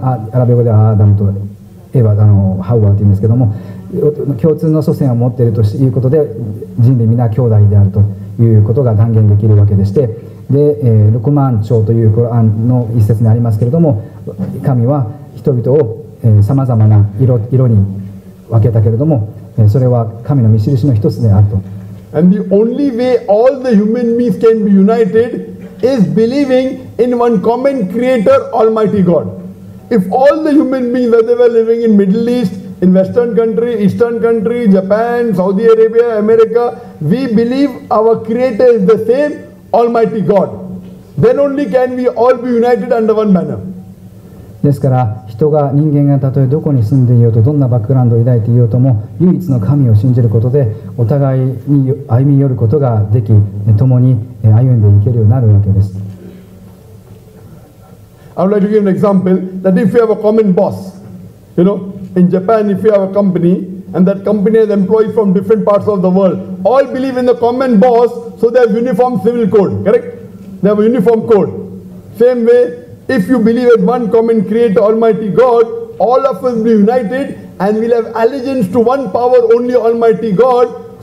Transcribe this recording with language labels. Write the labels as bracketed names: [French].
[Japanese] アラビア語ではアダムとエヴァ、ハウアーというんですけども、共通の祖先を持っているということで、人類皆兄弟であるということが断言できるわけでして、で、ルクマン朝というコランの一節にありますけれども、神は人々をさまざまな色に分けたけれども、それは神の見印の一つであると。 [English] And the only way all the human beings can be united is believing in one common creator, Almighty God. If all the human beings, whether they were living in Middle East, in Western country, Eastern country, Japan, Saudi Arabia, America, we believe our creator is the same, Almighty God. Then only can we all be united under one banner. [Japanese] ですから、人が人間がたとえどこに住んでいようと、どんなバックグラウンドを抱いていようとも、唯一の神を信じることで、お互いに歩み寄ることができ、共に歩んでいけるようになるわけです。 [English] I would like to give an example that if you have a common boss, you know, in Japan, if you have a company, and that company has employees from different parts of the world, all believe in the common boss. So they have uniform civil code, correct? They have a uniform code. Same way, if you believe in one common creator, Almighty God, all of us will be united and we'll have allegiance to one power, only Almighty God.